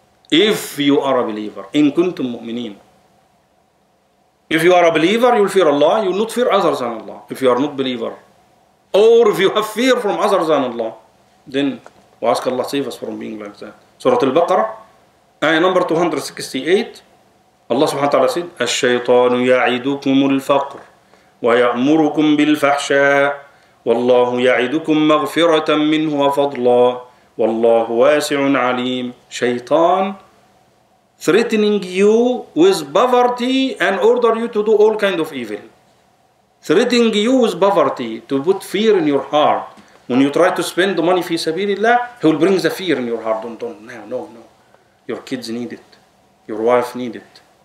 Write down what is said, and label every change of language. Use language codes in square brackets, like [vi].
[en] If you are a believer, [ar] in kuntum mu'mineen. [en] If you are a believer, you'll fear Allah. You'll not fear others than Allah. If you are not a believer. Or if you have fear from others than Allah, then we ask Allah save us from being like that. Surah Al-Baqarah, ayah number 268. [ar] الله سبحانه وتعالى سيد الشيطان يعدكم الفقر ويأمركم بالفحشاء والله يعدكم مغفرة منه وفضلا والله واسع عليم. [en] شيطان threatening you with poverty and order you to do all kind of evil. Threatening you with poverty to put fear in your heart. When you try to spend the money [ar] في سبيل الله, [en] he will bring the fear in your heart. No. Your kids need it. Your wife need it.